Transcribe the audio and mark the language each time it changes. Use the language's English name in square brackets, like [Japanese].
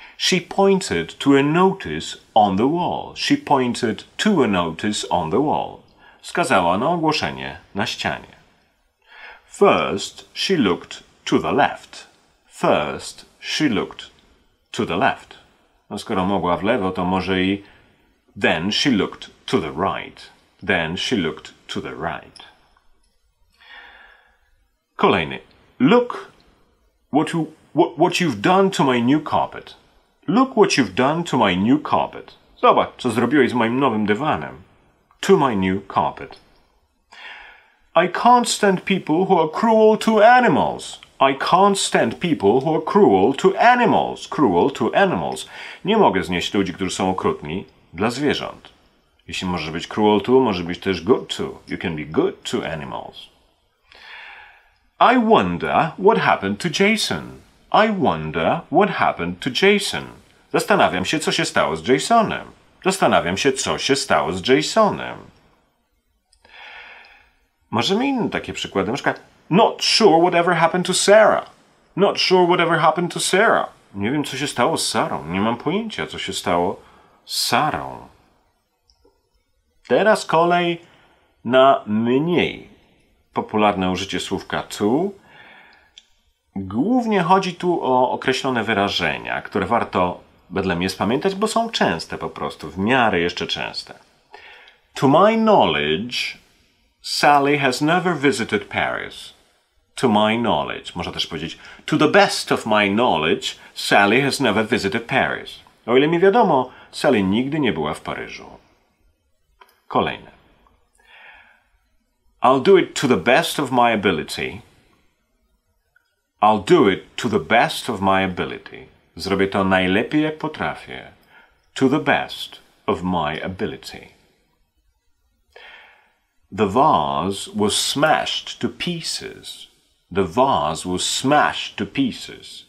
[English] She pointed to a notice on the wall. She pointed to a notice on the wall. [Polish] Wskazała na ogłoszenie na ścianie. [English] First she looked to the left. First she looked to the left. [Polish] No skoro mogła w lewo, to może i... [English] Then she looked to the right. Then she looked to the right. [Polish] Kolejny. [English] Look what you've done to my new carpet. Look what you've done to my new carpet. [Polish] Zobacz, co zrobiłeś z moim nowym dywanem. [English] To my new carpet. I can't stand people who are cruel to animals. I can't stand people who are cruel to animals. Cruel to animals. [Polish] Nie mogę znieść ludzi, którzy są okrutni dla zwierząt. Jeśli możesz być cruel to, możesz być też good to. [English] You can be good to animals. I wonder what happened to Jason. I wonder what happened to Jason. [Polish] Zastanawiam się, co się stało z Jasonem. Zastanawiam się, co się stało z Jasonem. Możemy inne takie przykłady. Na przykład, [English] not sure whatever happened to Sarah. [Polish] Not sure whatever happened to Sarah. Nie wiem, co się stało z Sarą. Nie mam pojęcia, co się stało z Sarą. Teraz kolej na mniej popularne użycie słówka to. Głównie chodzi tu o określone wyrażenia, które warto wedle mnie spamiętać, bo są częste po prostu, w miarę jeszcze częste. [English] To my knowledge, Sally has never visited Paris. To my knowledge, [Polish] można też powiedzieć, [English] to the best of my knowledge, Sally has never visited Paris. [Polish] O ile mi wiadomo, Sally nigdy nie była w Paryżu. Kolejne. [English] I'll do it to the best of my ability. I'll do it to the best of my ability. [Polish] Zrobię to najlepiej, jak potrafię. [English] To the best of my ability. The vase was smashed to pieces. The vase was smashed to pieces.